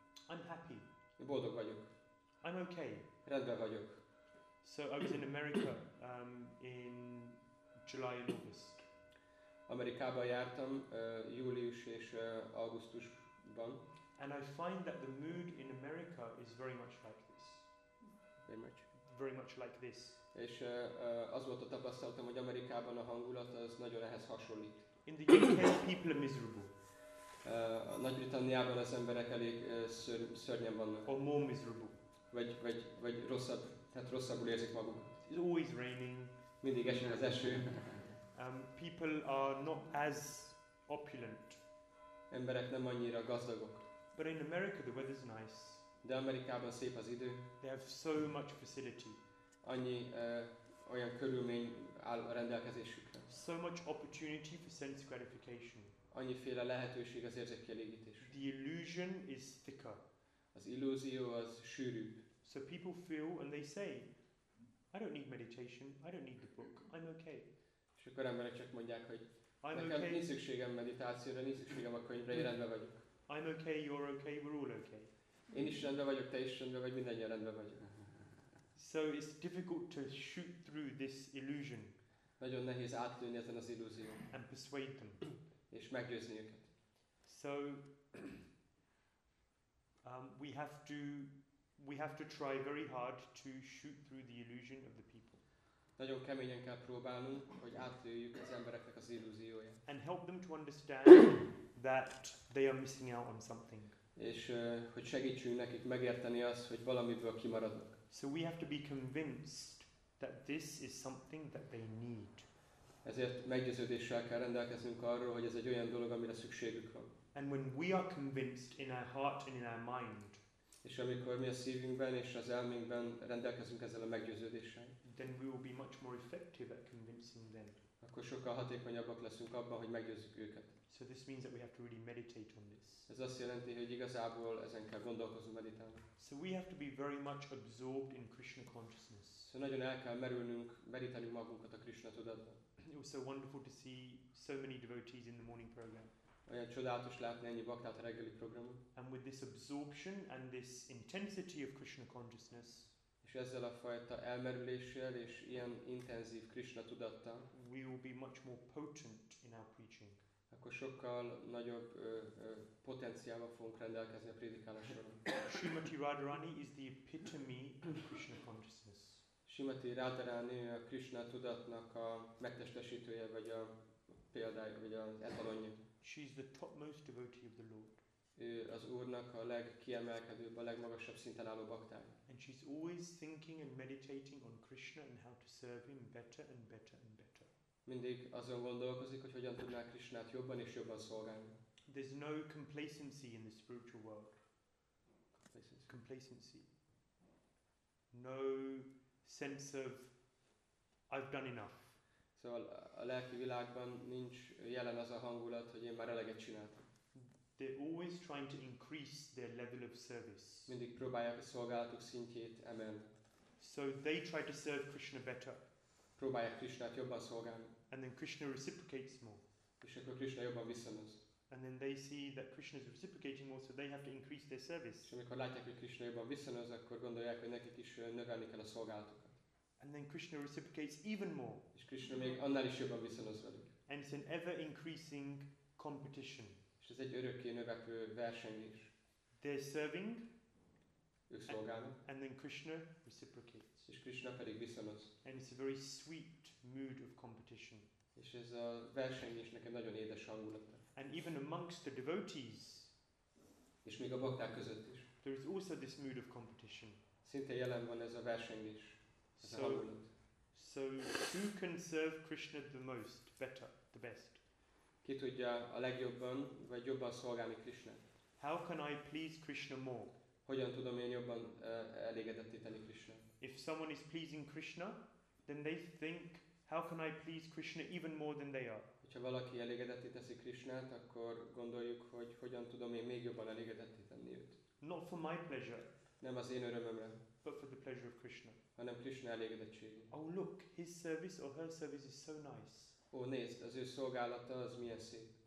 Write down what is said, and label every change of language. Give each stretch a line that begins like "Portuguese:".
English: I'm happy.
Hungarian: Boldog vagyok.
English: I'm okay.
Hungarian: Rendben vagyok.
English: So I was in America in July and August.
Hungarian: Amerikában jártam július és augusztusban.
English: And I find that the mood in America is very much like this. Very much like this.
Hungarian: És az volt a tapasztalatom, hogy Amerikában a hangulat az nagyon ehhez hasonlít.
English: In the UK, people are miserable.
Hungarian: Nagy-Britanniában az emberek elég szörnyen vannak.
English: Or more miserable.
Hungarian: Vagy rosszabb, tehát rosszabbul érzik magukat.
English: It's always raining.
Hungarian: Mindig esik az eső.
English: People are not as opulent.
Hungarian: Emberek nem annyira gazdagok.
English: But in America, the weather's nice.
Hungarian: De Amerikában szép az idő.
English: They have so much facility.
Hungarian: Annyi olyan körülmény áll a rendelkezésükre.
English: So much opportunity for sense gratification.
Hungarian: Annyiféle lehetőség az érzékkielégítés.
English: The illusion is thicker.
Hungarian: Az illúzió az sűrűbb.
English: So people feel and they say, I don't need meditation, I don't need the book, I'm okay.
Hungarian: És akkor emberek csak mondják, hogy nekem nincs szükségem meditációra, nincs szükségem a könyvre, én rendben vagyok.
English: I'm okay, you're okay, we're all okay.
Hungarian: Én is rendben vagyok, te is rendben vagy, mindannyian rendben vagyok.
English: So it's difficult to shoot through this illusion.
Hungarian: Nagyon nehéz átlőni ezen az illúzión.
English: And persuade them.
Hungarian: És meggyőzni őket.
English: So we have to try very hard to shoot through the illusion of the people.
Hungarian: Nagyon keményen kell próbálnunk, hogy átlőjük az embereknek az illúzióját.
English: And help them to understand that they are missing out on something.
Hungarian: És hogy segítsünk nekik megérteni azt, hogy valamiből kimaradnak.
English: So we have to be convinced that this is something that they need.
Hungarian: Ezért meggyőződéssel kell rendelkeznünk arról, hogy ez egy olyan dolog, amire szükségük van.
English: And when we are convinced in our heart and in our mind,
Hungarian: és amikor mi a szívünkben és az elménkben rendelkezünk ezzel a meggyőződéssel,
English: then we will be much more effective at convincing them.
Hungarian: Akkor sokkal hatékonyabbak leszünk abban, hogy meggyőzzük őket.
English: So this means that we have to really meditate on this.
Hungarian: Ez azt jelenti, hogy igazából ezen kell gondolkozni, meditálni.
English: So we have to be very much absorbed in Krishna consciousness.
Hungarian: So nagyon el kell merülnünk, meditálni magunkat a Krishna tudatban.
English: It was so wonderful to see so many devotees in the morning program.
Hungarian: Olyan csodálatos látni ennyi baktát a reggeli programon.
English: And with this absorption and this intensity of Krishna consciousness,
Hungarian: és ezzel a fajta elmerüléssel és ilyen intenzív Krishna tudattal,
English: we will be much more potent in our preaching.
Hungarian: Akkor sokkal nagyobb potenciával fogunk rendelkezni a prédikálás során.
English: Srimati Radharani is the epitome of Krishna consciousness.
Hungarian: Srimati Radharani a Krishna tudatnak a megtestesítője, vagy a példája, vagy az etalonja.
English: She is the topmost devotee of the Lord.
Hungarian: Ő az Úrnak a legkiemelkedőbb, a legmagasabb szinten álló baktája.
English: And she's always thinking and meditating on Krishna and how to serve him better and better and better.
Hungarian: Mindig azon gondolkozik, hogy hogyan tudná Krishnát jobban és jobban szolgálni.
English: There's no complacency in the spiritual world. Complacency. No sense of I've done enough.
Hungarian: Szóval a lelki világban nincs jelen az a hangulat, hogy én már eleget csináltam.
English: They're always trying to increase their level of service.
Hungarian: Mindig próbálják a szolgálatuk szintjét emelni.
English: So they try to serve Krishna better.
Hungarian: Próbálják Krishnát jobban szolgálni.
English: And then Krishna reciprocates more.
Hungarian: És akkor Krishna jobban visszanöz.
English: And then they see that Krishna is reciprocating more, so they have to increase their service.
Hungarian: És amikor látják, hogy Krishna jobban visszanöz, akkor gondolják, hogy nekik is növelni kell a szolgálatukat.
English: And then Krishna reciprocates even more.
Hungarian: És Krishna még annál is jobban visszanöz velük.
English: And it's an ever-increasing competition.
Hungarian: És ez egy örökké növekvő verseny is.
English: They're serving.
Hungarian: Ők szolgálnak.
English: And then Krishna reciprocates.
Hungarian: És Krishna pedig visszanöz.
English: And it's a very sweet mood of competition.
Hungarian: És ez a versenyzésnek egy nagyon édes hangulata.
English: And even amongst the devotees,
Hungarian: És még a bakták között is.
English: There is also this mood of competition.
Hungarian: Szinte jelen van ez a versengés, ez a hangulat.
English: So who can serve Krishna the most, better, the best?
Hungarian: Ki tudja a legjobban, vagy jobban szolgálni Krishnát?
English: How can I please Krishna more?
Hungarian: Hogyan tudom én jobban elégedetteni Krishnát?
English: If someone is pleasing Krishna, then they think, how can I please Krishna even more than they are?
Hungarian: Hogyha valaki elégedetté teszi Krishnát, akkor gondoljuk, hogy hogyan tudom én még jobban elégedetté tenni őt.
English: Not for my pleasure.
Hungarian: Nem az én örömömre.
English: But for the pleasure of Krishna.
Hungarian: Hanem Krishna elégedettségét.
English: Oh look, his service or her service is so nice.
Hungarian: Ó, nézd, az ő szolgálata az milyen szép.